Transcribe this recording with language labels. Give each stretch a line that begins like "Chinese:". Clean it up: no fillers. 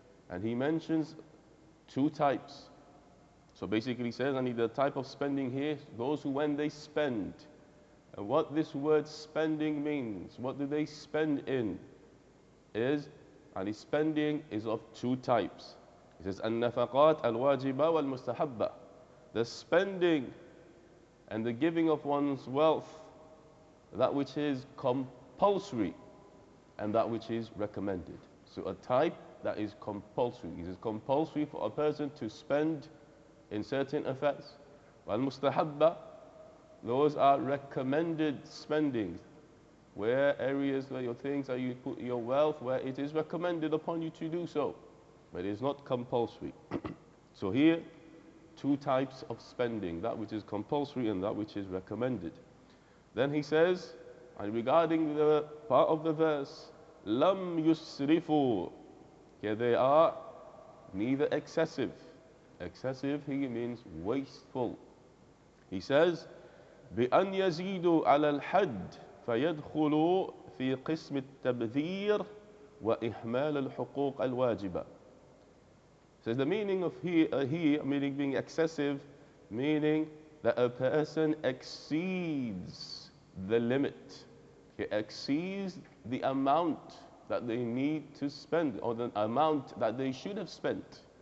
English: And he mentions two types. So basically he says, I need the type of spending here, those who when they spend. And what this word spending means, what do they spend in, is, and his spending is of two types. He says,
Arabic: النفقات الواجبة والمستحبة.
English: The spending and the giving of one's wealth, that which is compulsory and that which is recommended. So a type that is compulsory. It is compulsory for a person to spend in certain affairs. والمستحبة, those are recommended spendings. Where areas, where your things, are you put your wealth, where it is recommended upon you to do so, but it is not compulsory. So here, two types of spending, that which is compulsory and that which is recommended. Then he says, And regarding the part of the verse, lam yusrifu, here they are neither excessive. Excessive, he means wasteful. He says,
Arabic: بأن يزيدوا على الحد فيدخلوا في قسم التبذير وإهمال الحقوق الواجبة.
English: Says the meaning of meaning being excessive, meaning that a person exceeds the limit. He exceeds the amount that they need to spend, or the amount that they should have spent.